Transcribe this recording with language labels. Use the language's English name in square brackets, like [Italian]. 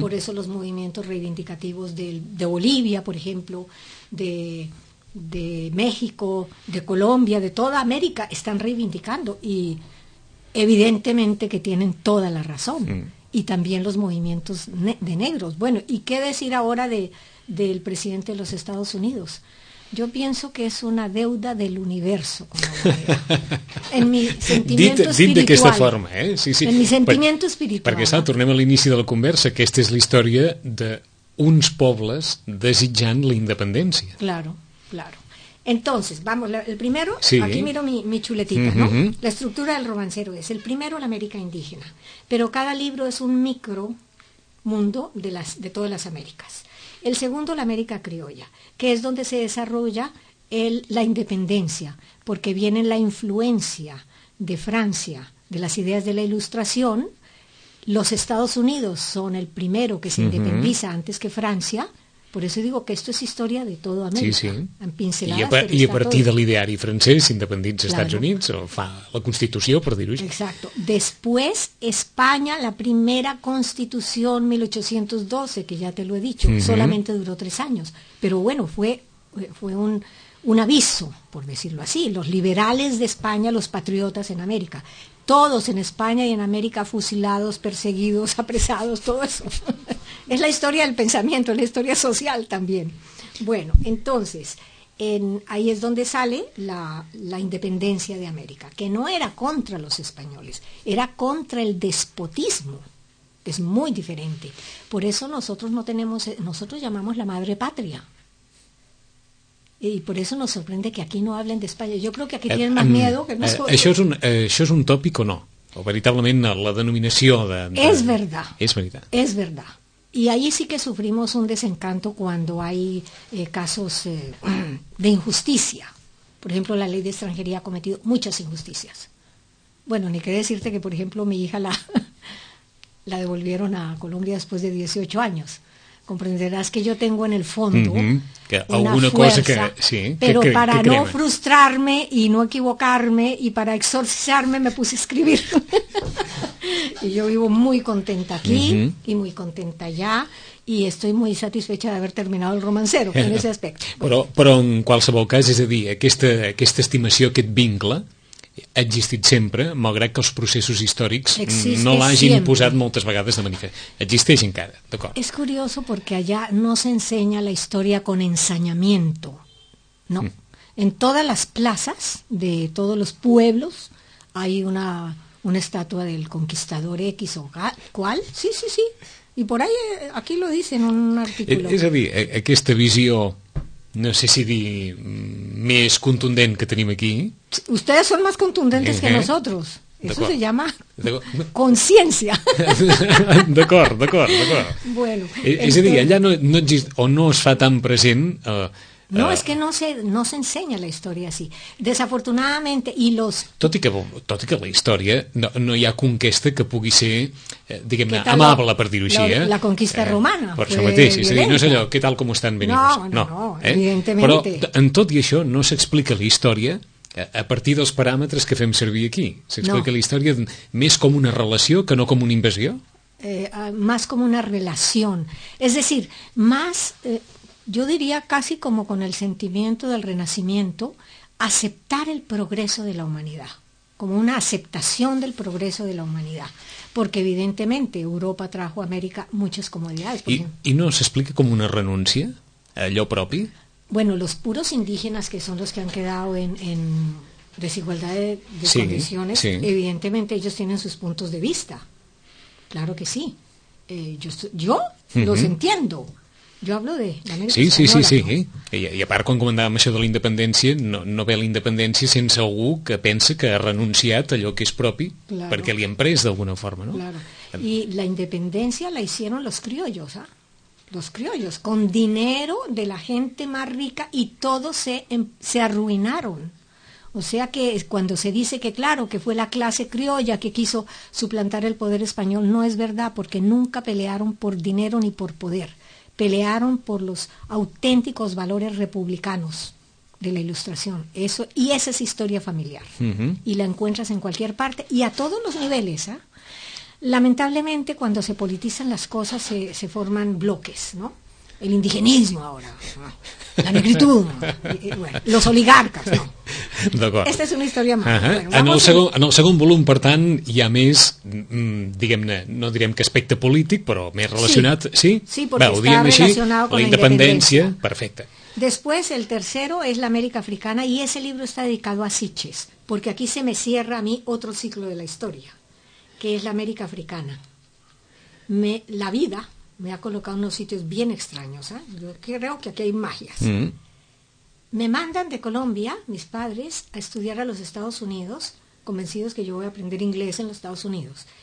[Spanish] Por eso los movimientos reivindicativos de Bolivia, por ejemplo, de México, de Colombia, de toda América, están reivindicando y evidentemente que tienen toda la razón. Y también los movimientos de negros. Bueno, ¿y qué decir ahora del presidente de los Estados Unidos? Yo pienso que es una deuda del universo, en mi sentimiento espiritual. [Catalan] De aquesta forma, sí, sí. [Spanish] En mi sentimiento espiritual. [Catalan] Perquè [Spanish] sabe, [Catalan] tornem a l'inici de la conversa, que esta és la història d'uns pobles desitjant la independència. [Spanish] Claro. Entonces, vamos, el primero, sí. Aquí miro mi chuletita, uh-huh. ¿no? La estructura del romancero es, el primero, la América indígena. Pero cada libro es un micro mundo de todas las Américas. El segundo, la América criolla, que es donde se desarrolla la independencia, porque viene la influencia de Francia, de las ideas de la Ilustración. Los Estados Unidos son el primero que se uh-huh. independiza antes que Francia. Por eso digo que esto es historia de todo América. Sí, sí. En pinceladas, [Catalan] y a partir de l'ideari francès, independents dels Estats Units, o fa la Constitució, per dir-ho així. [Spanish] Exacto. Después, España, la primera Constitución, 1812, que ya te lo he dicho, uh-huh. solamente duró 3 años. Pero bueno, fue un aviso, por decirlo así. Los liberales de España, los patriotas en América. Todos en España y en América fusilados, perseguidos, apresados, todo eso. Es la historia del pensamiento, es la historia social también. Bueno, entonces, ahí es donde sale la independencia de América, que no era contra los españoles, era contra el despotismo. Es muy diferente. Por eso nosotros llamamos la madre patria. Y por eso nos sorprende que aquí no hablen de España. Yo creo que aquí tienen más miedo que nosotros. [Catalan] ¿Això es un tópico o no? o veritablement la denominació de... És veritat. És veritat. És veritat. [Spanish] Y ahí sí que sufrimos un desencanto cuando hay casos de injusticia. Por ejemplo, la ley de extranjería ha cometido muchas injusticias. Bueno, ni qué decirte que, por ejemplo, mi hija la devolvieron a Colombia después de 18 años. Comprenderás que yo tengo en el fondo que alguna fuerza, cosa que, sí, pero que, para que no frustrarme y no equivocarme y para exorcizarme me puse a escribir. Y yo vivo muy contenta aquí y muy contenta allá y estoy muy satisfecha de haber terminado el romancero en ese aspecto. [Catalan] Però en qualsevol cas, és a dir, aquesta estimació, aquest vincle, ha existit sempre, malgrat que els processos històrics no l'hagin posat moltes vegades de manifest. Existeix encara, d'acord. [Spanish] És curioso porque allá no se enseña la historia con ensañamiento, ¿no? Mm. En todas las plazas de todos los pueblos hay una estatua del conquistador X o cual, sí. Y por ahí, aquí lo dice en un artículo. [Catalan] És a dir, aquesta visió, no sé si dir més contundent que tenim aquí. [Spanish] Ustedes son más contundentes que nosotros. Eso se llama conciencia. [Catalan] D'acord. [Spanish] Bueno. [Catalan] És a dir, allà [Spanish] no existe, [Catalan] o no es fa tan present... [Spanish] No, es que no se enseña la historia así. Desafortunadamente, y los... [Catalan] Tot i que la historia, no hi ha conquesta que pugui ser, diguem-ne, amable, per dir-ho així. [Spanish] La conquista romana. [Catalan] Per això mateix, és a dir, no és allò, què tal com estan venint. [Spanish] No, evidentemente. [Catalan] Però, en tot i això, no s'explica la història a partir dels paràmetres que fem servir aquí. S'explica la història més com una relació que no com una invasió? [Spanish] Más como una relación. Es decir, más... Yo diría casi como con el sentimiento del renacimiento, aceptar el progreso de la humanidad, como una aceptación del progreso de la humanidad, porque evidentemente Europa trajo a América muchas comodidades. ¿Y no se explica como una renuncia a lo propio? Bueno, los puros indígenas que son los que han quedado en desigualdad de sí, condiciones, sí. Evidentemente ellos tienen sus puntos de vista, claro que sí, yo los entiendo. [Catalan] Jo [Spanish] hablo [Catalan] de l'Amèrica Espanyola. Sí. No? I a part, quan comentàvem això de la independència, no ve la independència sense algú que pensa que ha renunciat a allò que és propi, [Spanish] claro, [Catalan] perquè li han pres d'alguna forma, no? [Spanish] Claro. [Catalan] I la independència [Spanish] la hicieron los criollos, ¿ah? Los criollos, con dinero de la gente más rica y todos se arruinaron. O sea que cuando se dice que, claro, que fue la clase criolla que quiso suplantar el poder español, no es verdad, porque nunca pelearon por dinero ni por poder. Pelearon por los auténticos valores republicanos de la Ilustración. Eso, y esa es historia familiar. Y la encuentras en cualquier parte y a todos los niveles. ¿Eh? Lamentablemente, cuando se politizan las cosas, se forman bloques, ¿no? El indigenismo ahora, ¿no? La negritud, ¿no? Bueno, los oligarcas, ¿no? [Catalan] D'acord. [Spanish] Esta es una historia más. [Catalan] Bueno, en el segon volum, per tant, hi ha més, diguem-ne, no direm que aspecte polític, però més relacionat, sí? Sí, perquè està relacionat amb la independència. Perfecte. [Spanish] Después, el tercero es la América Africana, y ese libro está dedicado a Sitges, porque aquí se me cierra a mí otro ciclo de la historia, que es la América Africana. La vida... Me ha colocado unos sitios bien extraños, ¿eh? Yo creo que aquí hay magias. Me mandan de Colombia, mis padres, a estudiar a los Estados Unidos, convencidos que yo voy a aprender inglés en los Estados Unidos.